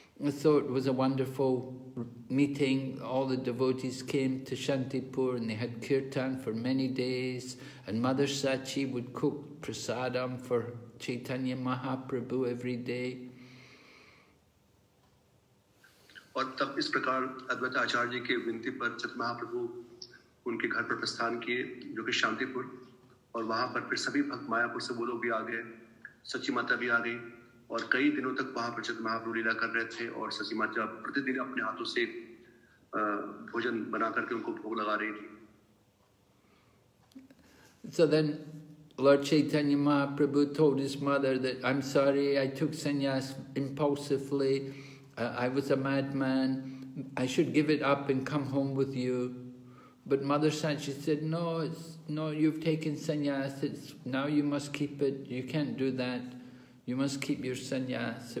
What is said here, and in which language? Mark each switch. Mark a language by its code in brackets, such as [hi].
[en] So it was a wonderful meeting. All the devotees came to Shantipur and they had kirtan for many days. And Mother Sachi would cook prasadam for Chaitanya Mahaprabhu every day. [hi] और तब इस प्रकार अद्वैत आचार्य जी के विनती पर चैतन्य महाप्रभु उनके घर पर प्रस्थान किए जो कि शांतिपुर और वहां पर फिर सभी भक्त मायापुर से वो लोग भी आ गए सच्ची माता भी आ गई और कई दिनों तक वहां पर चैतन्य महाप्रभु लीला कर रहे थे और सची माता प्रतिदिन अपने हाथों से भोजन बना करके उनको भोग लगा रही थी [en] So then Lord Chaitanya Mahaprabhu told his mother that I'm sorry I took sannyas impulsively I was a madman I should give it up and come home with you but mother Sachi said no you've taken sannyas it's now you must keep it you can't do that You must keep your sannyas.